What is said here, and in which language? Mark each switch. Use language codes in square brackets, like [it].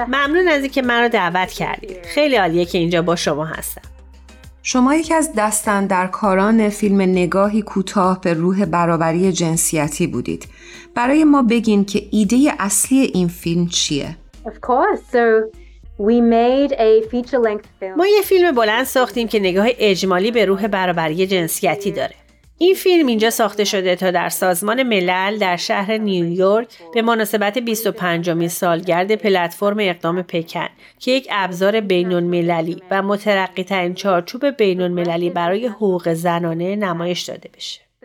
[fa] ممنون از اینکه من رو دعوت کردید. خیلی عالیه که اینجا با شما هستم. شما یکی از دستاندرکاران فیلم نگاهی کوتاه به روح برابری جنسیتی بودید. برای ما بگین که ایده اصلی این فیلم چیه؟ [en] Of course, so... We made a feature-length film. [fa] ما یه فیلم بلند ساختیم که نگاه اجمالی به روح برابری جنسیتی داره. این فیلم اینجا ساخته شده تا در سازمان ملل در شهر نیویورک به مناسبت 25مین سالگرد پلتفرم اقدام پکن که یک ابزار بین‌المللی و مترقی‌ترین چارچوب بین‌المللی برای حقوق زنانه نمایش داده بشه.